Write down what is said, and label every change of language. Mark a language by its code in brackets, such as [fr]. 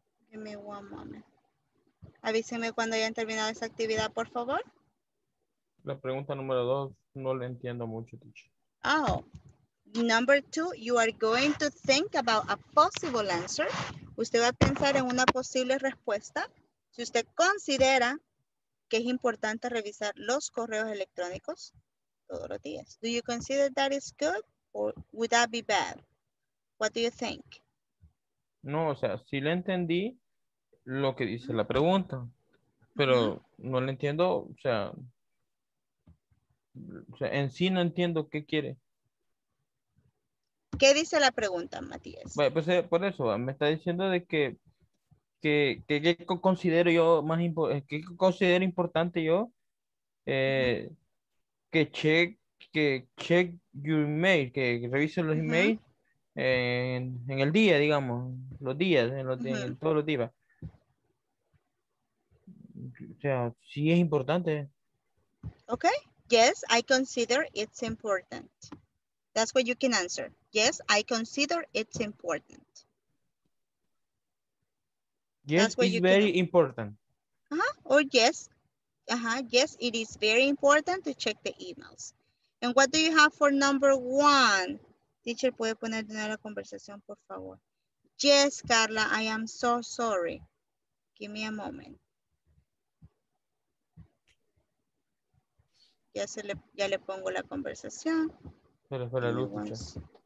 [es] Give me one moment. Avísenme cuando hayan terminado esa actividad, por favor. La pregunta número dos, no le entiendo mucho, teacher. [en] Oh, number two, you are going to think about a possible answer. [es] Usted va a pensar en una posible respuesta. Si usted considera que es importante revisar los correos electrónicos todos los días. [en] Do you consider that is good or would that be bad? What do you think? [es] No, o sea, sí le entendí lo que dice la pregunta, pero no le entiendo, o sea, en sí no entiendo qué quiere. ¿Qué dice la pregunta, Matías? Bueno, pues por eso, me está diciendo de que considero yo más importante, que considero importante yo que check your email, que revise los emails. En el día, digamos, los días, en todos los días. O sea, sí es importante. [en] Okay, yes, I consider it's important. That's what you can answer. Yes, I consider it's important. Yes, it's very important. Uh-huh. Or yes, uh-huh. Yes, it is very important to check the emails. And what do you have for number one? [es] Teacher, ¿puede poner de nuevo la conversación, por favor? [en] Yes, Carla, I am so sorry. Give me a moment. [es] Ya le pongo la conversación. Pero fue la luz, teacher.